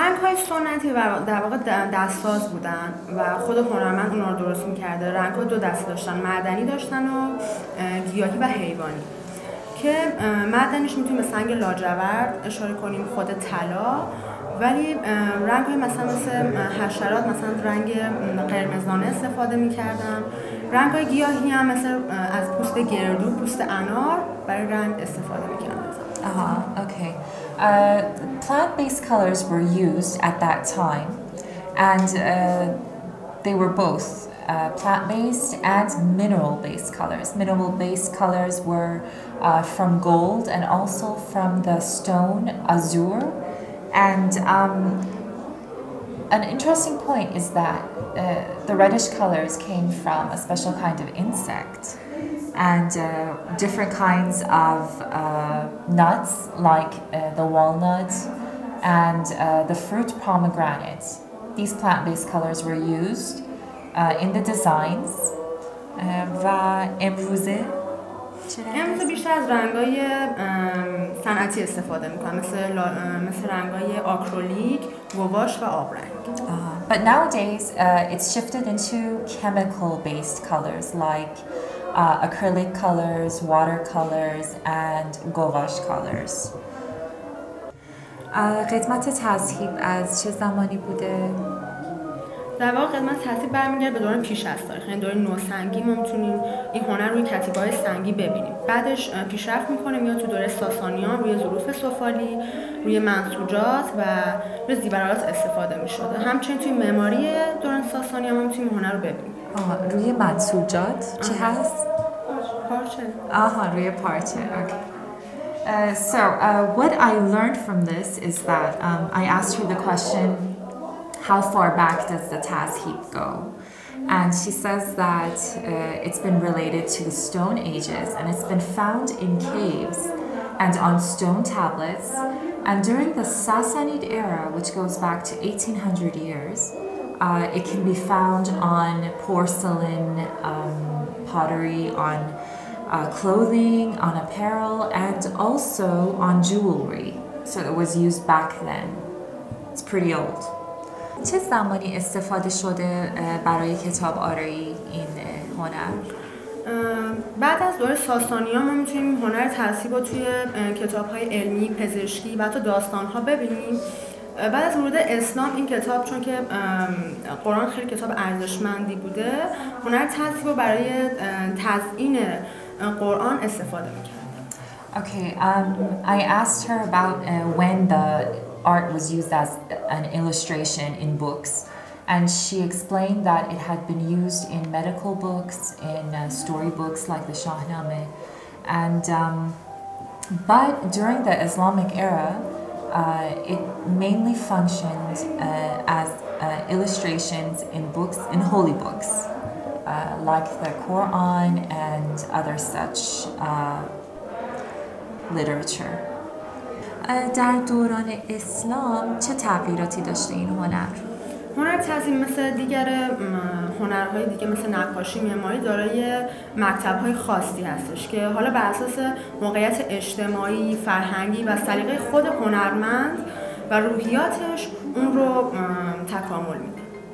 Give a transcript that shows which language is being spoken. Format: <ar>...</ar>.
<fa>رنگ های سنتی و در واقع دستساز بودن و خود هنرمند اونا رو درست میکرده رنگ ها دو دسته داشتن معدنی داشتن و گیاهی و حیوانی که معدنیش میتونیم به سنگ لاجورد اشاره کنیم خود طلا ولی رنگ های مثلا مثل حشرات مثلا رنگ قرمزانه استفاده می کردم رنگ های گیاهی هم مثل از پوست گردو پوست انار برای رنگ استفاده می کردم</fa> <en>آها okay plant based colors were used at that time and they were both plant based and mineral based colors mineral based colors were from gold and also from the stone azure And an interesting point is that the reddish colors came from a special kind of insect and different kinds of nuts like the walnut and the fruit pomegranate. These plant-based colors were used in the designs.</en> <fa>امروز بیشتر از رنگای صنعتی استفاده میکنم مثل رنگای آکرولیک، گواش و آبرنگ.</fa> <en>But nowadays it's shifted into chemical-based colors like acrylic colors, water colors and gouache colors.</en> <fa>قدمت تذهیب از چه زمانی بوده؟ در واقع قدمت تذهیب برمیگرده به دوران پیش از تاریخ یعنی دوران نوسنگی ما میتونیم این هنر روی کتیبه‌های سنگی ببینیم بعدش پیشرفت میکنه میاد تو دوره ساسانیان روی ظروف سفالی روی منسوجات و روی زیورالات استفاده میشده همچنین توی معماری دوران ساسانیان ما میتونیم هنر رو ببینیم روی منسوجات چی هست؟ پارچه آها روی پارچه اوکی</fa> <en>So what I learned from this is that I asked her the question How far back does the Tazhib go? And she says that it's been related to the Stone Ages and it's been found in caves and on stone tablets. And during the Sassanid era, which goes back to 1800 years, it can be found on porcelain pottery on clothing, on apparel, and also on jewelry. So it was used back then. It's pretty old.</en> <fa>چه زمانی استفاده شده برای کتاب آرایی این هنر؟ بعد از دوره ساسانی ها ما میتونیم هنر تذهیب رو توی کتاب های علمی، پزشکی و حتی داستان ها ببینیم. بعد از ورود اسلام این کتاب، چون که قرآن خیلی کتاب ارزشمندی بوده، هنر تذهیب رو برای تزئین قرآن استفاده میکرد.</fa> <en>Okay, I asked her about when the art was used as an illustration in books. And she explained that it had been used in medical books, in story books like the Shahnameh. And, but during the Islamic era, it mainly functioned as illustrations in books, in holy books, like the Quran and other such literature.</en> <fa>در دوران اسلام چه تغییراتی داشته این هنر؟ هنر تزئین مثل دیگر هنرهای دیگه مثل نقاشی، معماری دارای مکتب‌های خاصی هستش که حالا بر اساس موقعیت اجتماعی، فرهنگی و سلیقه خود هنرمند و روحیاتش اون رو تکامل میده.</fa>